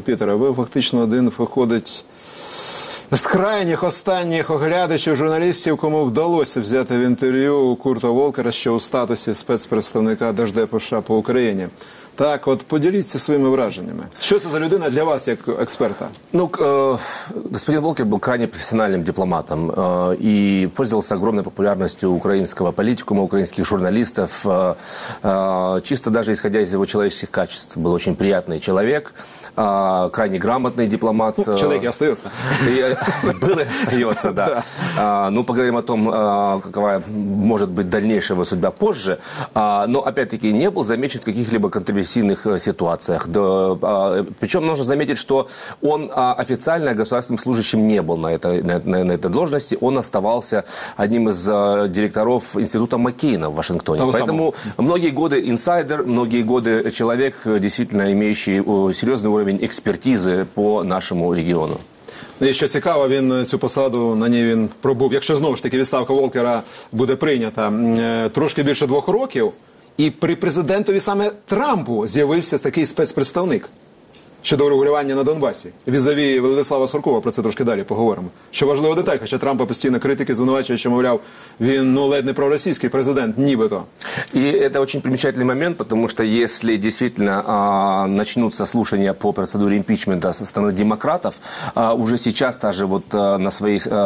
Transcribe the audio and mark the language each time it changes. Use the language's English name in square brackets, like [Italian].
[Ukrainian] Пітер, ви фактично один виходить з крайніх останніх оглядачів журналістів, кому вдалося взяти в інтерв'ю у Курта Волкера, що у статусі спецпредставника Держдепу США по Україні. Так, от поділіться своїми враженнями. Що це за людина для вас, як експерта? Ну, господин Волкер був крайне професіональним дипломатом і пользувався огромною популярністю українського політикуму, українських журналістів. [Russian] Чисто даже исходя из его человеческих качеств, был очень приятный человек. Крайне грамотный дипломат. Ну, человек и остается. Был и остается, да. Ну, поговорим о том, какова может быть дальнейшая его судьба позже. Но, опять-таки, не был замечен в каких-либо контроверсийных ситуациях. Причем нужно заметить, что он официально государственным служащим не был на этой должности. Он оставался одним из директоров Института Маккейна в Вашингтоне. Поэтому многие годы инсайдер, многие годы человек, действительно имеющий серьезный уровень экспертизы по нашему региону. [Ukrainian] І що цікаво, він цю посаду, на ній він пробув, якщо знову ж таки відставка Волкера буде прийнята, трошки більше 2 років, і при президентові саме Трампу з'явився такий спецпредставник щодо урегулювання на Донбасі. Візаві Владислава Суркова, про це трошки далі поговоримо. Що важлива деталь, хоча Трампа постійно критики звинувачує, що, мовляв, він, ну, ледь не проросійський президент, нібито. І це дуже примечательний момент, тому що, якщо дійсно почнуться слушання по процедурі імпічменту зі сторони демократів, вже зараз, навіть вот, на своїй